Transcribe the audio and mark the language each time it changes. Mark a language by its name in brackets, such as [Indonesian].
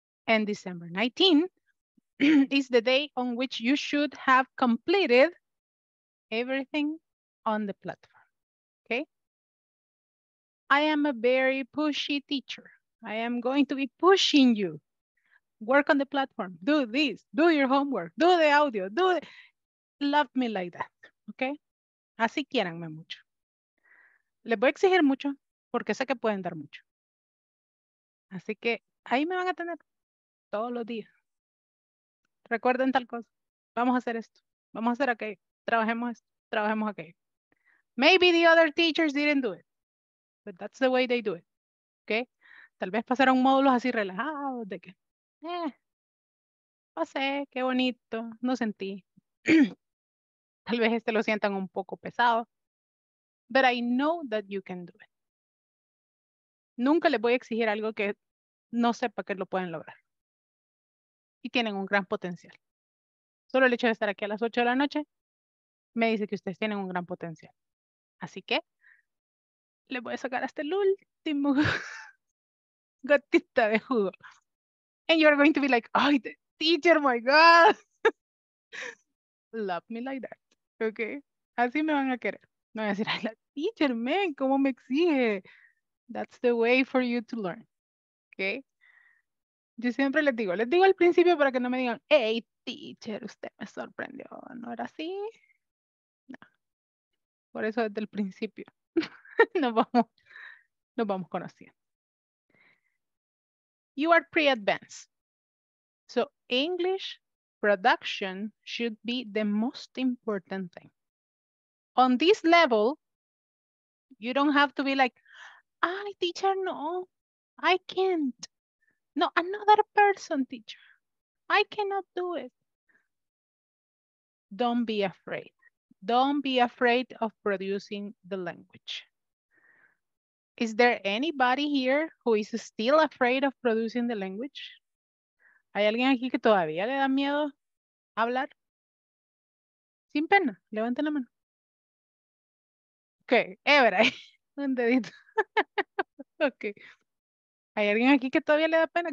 [English] And December 19th is the day on which you should have completed everything on the platform, okay? I am a very pushy teacher. I am going to be pushing you. Work on the platform, do this, do your homework, do the audio, do it. Love me like that, okay? [Spanish] Así quiéranme mucho. Les voy a exigir mucho porque sé que pueden dar mucho. Así que ahí me van a tener todos los días. Recuerden tal cosa. Vamos a hacer esto. Vamos a hacer aquello. Trabajemos esto. Trabajemos aquello. [English] Maybe the other teachers didn't do it. But that's the way they do it. Okay? [Spanish] Tal vez pasaron módulos así relajados de que, pasé, qué bonito, no sentí. Tal vez este lo sientan un poco pesado. [English] But I know that you can do it. [Spanish] Nunca les voy a exigir algo que no sepa que lo pueden lograr. Y tienen un gran potencial. Solo el hecho de estar aquí a las 8 de la noche me dice que ustedes tienen un gran potencial. Así que les voy a sacar hasta el último gotita de jugo. [English] And you're going to be like, oh, the teacher, my God. Love me like that. Okay, [Spanish] así me van a querer. No voy a decir, ay, la teacher, man, ¿cómo me exige? [English] That's the way for you to learn. Okay. [Spanish] Yo siempre les digo al principio para que no me digan, hey, teacher, usted me sorprendió. ¿No era así? No. Por eso desde el principio nos vamos conociendo. [English] You are pre-advanced. So English production should be the most important thing. On this level, you don't have to be like, ay, teacher, no, I can't. No, another person, teacher. I cannot do it. Don't be afraid. Don't be afraid of producing the language. Is there anybody here who is still afraid of producing the language? [Spanish] ¿Hay alguien aquí que todavía le da miedo hablar? Sin pena, levanten la mano. Okay, Everay, un dedito. Okay. ¿Hay alguien aquí que todavía le da pena?